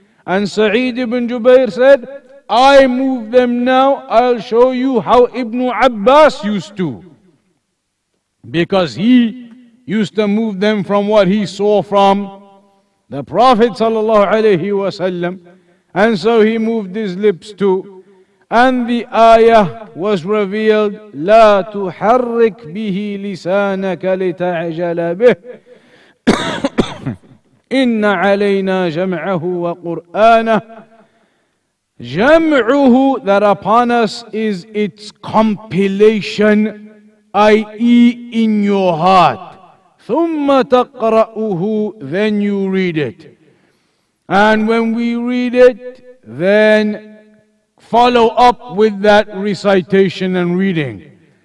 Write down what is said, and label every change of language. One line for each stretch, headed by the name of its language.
English: And Sa'id ibn Jubair said, I move them now, I'll show you how Ibn Abbas used to. Because he used to move them from what he saw from the Prophet sallallahu alayhi wasallam. And so he moved his lips too. And the ayah was revealed,
Arabic: لا تحرك به لسانك لتعجل به إن علينا جمعه وقرآنه.
English: جمعه, that upon us is its compilation, i.e. in your heart.
Arabic: ثم تقرأه,
English: then you read it. And when we read it, then follow up with that recitation and reading.